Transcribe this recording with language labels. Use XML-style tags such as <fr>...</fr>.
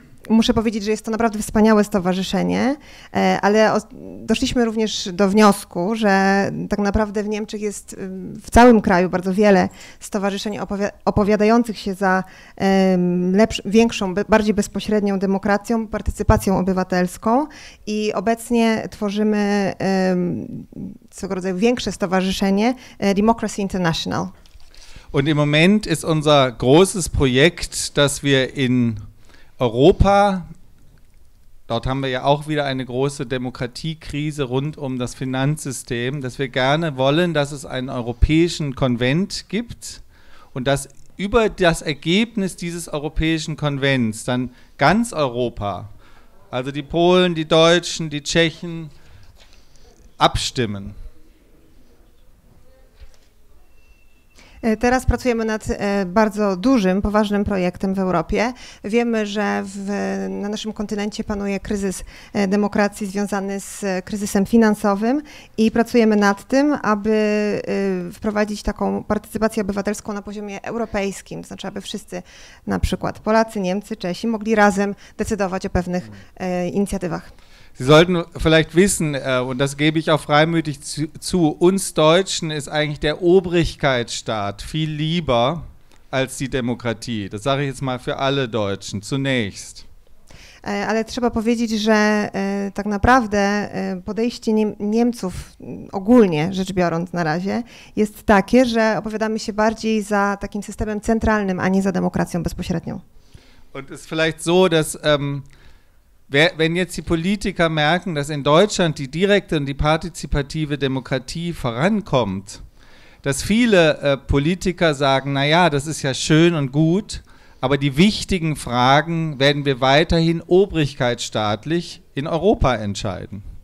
<pl>Muszę powiedzieć, że jest to naprawdę wspaniałe stowarzyszenie, ale doszliśmy również do wniosku, że tak naprawdę w Niemczech jest w całym kraju bardzo wiele stowarzyszeń opowiadających się za większą, bardziej bezpośrednią demokracją, partycypacją obywatelską i obecnie tworzymy swego rodzaju większe stowarzyszenie Democracy International.</pl> <de>Und im Moment ist unser großes Projekt, dass wir in Europa, dort haben wir ja auch wieder eine große Demokratiekrise rund um das Finanzsystem, dass wir gerne wollen, dass es einen europäischen Konvent gibt und dass über das Ergebnis dieses europäischen Konvents dann ganz Europa, also die Polen, die Deutschen, die Tschechen, abstimmen.</de> <pl>Teraz pracujemy nad bardzo dużym, poważnym projektem w Europie. Wiemy, że na naszym kontynencie panuje kryzys demokracji związany z kryzysem finansowym i pracujemy nad tym, aby wprowadzić taką partycypację obywatelską na poziomie europejskim, to znaczy aby wszyscy, na przykład Polacy, Niemcy, Czesi, mogli razem decydować o pewnych inicjatywach.</pl> <de>Sie sollten vielleicht wissen, und das gebe ich auch freimütig zu, uns Deutschen ist eigentlich der Obrigkeitsstaat viel lieber als die Demokratie. Das sage ich jetzt mal für alle Deutschen zunächst.</de> <pl>Ale trzeba powiedzieć, że tak naprawdę podejście Niemców ogólnie rzecz biorąc na razie jest takie, że opowiadamy się bardziej za takim systemem centralnym, a nie za demokracją bezpośrednią.</pl> <de>Und es ist vielleicht so, dass wenn jetzt die Politiker merken, dass in Deutschland die direkte und die partizipative Demokratie vorankommt, dass viele Politiker sagen, naja, das ist ja schön und gut, aber die wichtigen Fragen werden wir weiterhin obrigkeitsstaatlich in Europa entscheiden.</de>